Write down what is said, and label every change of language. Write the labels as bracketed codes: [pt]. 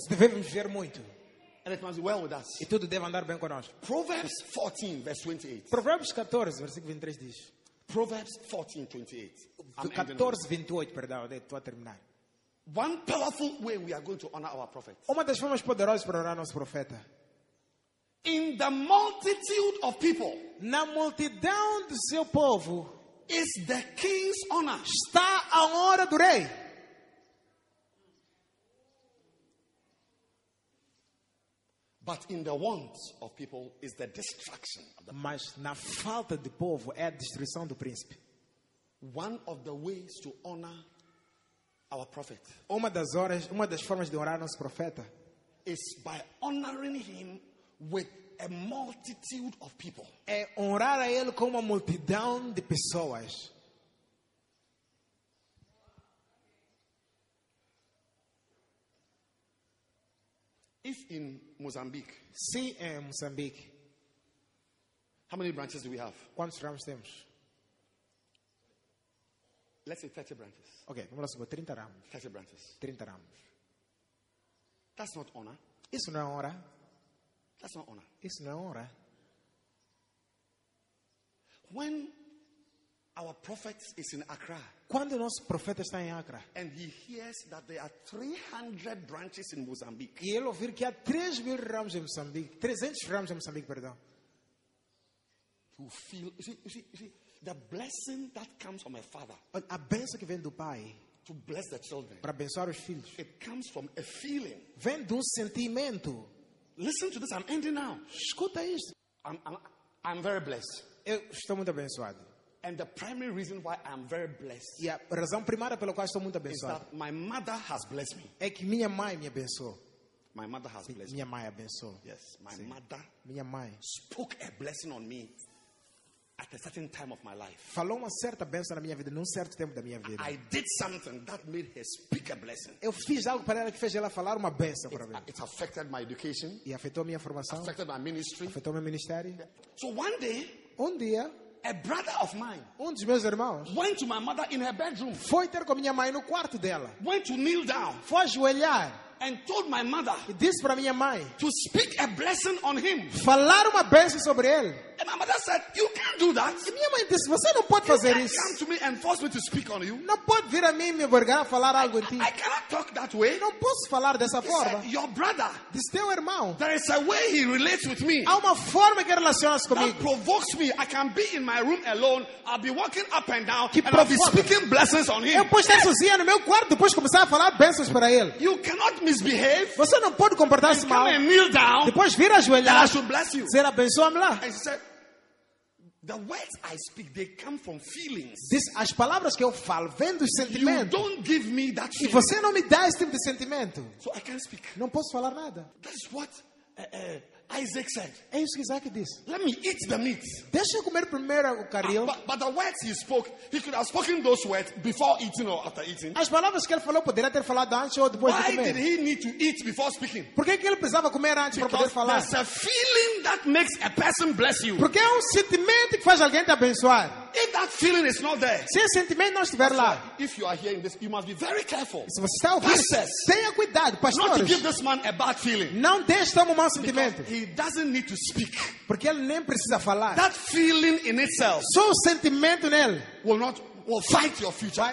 [pt] Devemos viver muito. [en] And it must be well with us. [pt] E tudo deve andar bem conosco. [en] Proverbs 14, verse 28. [pt] Provérbios 14, versículo 23 diz. [en] Proverbs 14:28. [pt] 14:28, perdão, estou a terminar. [en] One powerful way we are going to honor our prophet. [pt] Uma das formas poderosas para honrar nosso profeta. [en] In the multitude of people. [pt] Na multidão do seu povo. [en] Is the king's honor. [pt] Está a honra do rei. [en] But in the want of people is the destruction of the. [pt] Mas na falta de povo é a destruição do príncipe. [en] One of the ways to honor our prophet. [pt] Uma das formas de honrar nosso profeta [en] is by honoring him with a multitude of people. [pt] É honrar a ele com uma multidão de pessoas. [en] If in Mozambique. [pt] Se em Moçambique. [en] How many branches do we have? [pt] Quantos ramos temos? [en] Let's say 30 branches. [pt] Okay, vamos lá, 30 ramos. [en] 30 branches. [pt] 30 ramos. [en] That's not honor. [pt] Isso não é honra. [en] That's not honor. [pt] Isso não é honra. [en] When our prophet is in Accra. [pt] Quando o nosso profeta está em Accra. [en] And he hears that there are 300 branches in Mozambique. [pt] E ele ouvir que há 3,000 ramos em Moçambique. 300 ramos em Moçambique, perdão. [en] To feel, you see, the blessing that comes from a father. [pt] A bênção que vem do pai. [en] To bless the children. [pt] Para abençoar os filhos. [en] It comes from a feeling. [pt] Vem de um sentimento. [en] Listen to this, I'm ending now. [pt] Escuta isto. [en] I'm very blessed. [pt] Eu estou muito abençoado. [en] And the primary reason why I'm very blessed. [pt] E a razão primária pela qual estou muito abençoado. [en] Is that my mother has blessed me. [pt] É que minha mãe me abençoou. [en] My mother has blessed me. [pt] Minha mãe abençoou. [en] Yes, my Sim. mother. [pt] Minha mãe. [en] Spoke a blessing on me. At a certain time of my life. [pt] Falou uma certa bênção na minha vida, num certo tempo da minha vida. [en] I did something that made her speak a blessing. [pt] Eu fiz algo para ela que fez ela falar uma bênção para mim. [en] It affected my education. [pt] E afetou minha formação. [en] Affected my ministry. [pt] Afetou meu ministério. [en] So one day. [pt] Um dia. [en] A brother of mine. [pt] Um dos meus irmãos. [en] Went to my mother in her bedroom. [pt] Foi ter com minha mãe no quarto dela. [en] Went to kneel down. [pt] Foi ajoelhar. [en] And told my mother. [pt] E disse para minha mãe. [en] To speak a blessing on him. [pt] Falar uma bênção sobre ele. [en] And my mother said, "You can't do that." [pt] E minha mãe disse, "Você não pode [en] you [pt] fazer [en] can't [pt] isso." [en] Come to me and force me to speak on you. [pt] Não pode vir a mim me obrigar a falar algo em ti. [en] I cannot talk that way. [pt] Não posso falar dessa [en] he [pt] forma. [en] Said, your brother. [pt] Disse teu irmão. [en] There is a way he relates with me. [pt] Há uma forma que relaciona-se comigo. [en] That provokes me. I can be in my room alone. I'll be walking up and down and I'll be speaking blessings on him. [pt] Eu posso estar sozinho no meu quarto depois começar a falar bênçãos para ele. [en] You cannot misbehave. [pt] Você não pode comportar-se mal. [en] Come and kneel down. [pt] Depois vir ajoelhar. [en] I should bless you. [pt] Será abençoa-me lá. [en] The words I speak, they come from feelings. [pt] This, as palavras que eu falo vêm dos sentimentos. [en] You don't give me that feeling. [pt] E você não me dá esse tipo de sentimento. [en] So I can't speak. [pt] Não posso falar nada. [en] That's what Isaac said. [pt] É isso que Isaac disse. [en] Let me eat the meat. [pt] Deixa eu comer primeiro o caril. [en] But the words he spoke, he could have spoken those words before eating or after eating. [pt] As palavras que ele falou poderia ter falado antes ou depois [en] Why [pt] de comer. [en] Why did he need to eat before speaking? [pt] Por que ele precisava comer antes [en] Because [pt] para poder falar? [en] There's a feeling that makes a person bless you. [pt] Porque é um sentimento que faz alguém te abençoar. [en] If that feeling is not there, [pt] se esse sentimento não estiver lá, [en] if you are here in this, you must be very careful. [pt] Se você está aqui, tenha cuidado, pastores. [en] Not to give this man a bad feeling. [pt] Não deixe tomar um mau sentimento. [en] Because he doesn't need to speak. [pt] Porque ele nem precisa falar. [en] That feeling in itself. [pt] Só o sentimento nele. [en] Will fight your future.